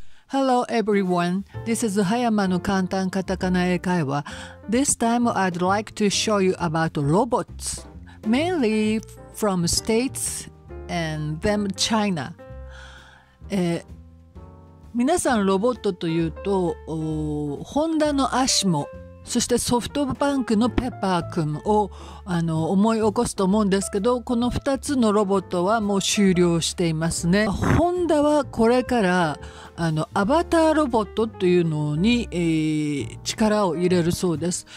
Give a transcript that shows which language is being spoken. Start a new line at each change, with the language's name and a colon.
English: Hello everyone, this is Hayama
Japanese: の簡単カタカナ英会話。
English: This time I'd like to show you about robots, mainly from States and then China.
Japanese: 皆さんロボットというと、ホンダのアシモ、そしてソフトバンクのペッパーくんを思い起こすと思うんですけど、この2つのロボットはもう終了していますね。ホンダはこれからアバターロボットというのに、力を入れるそうです。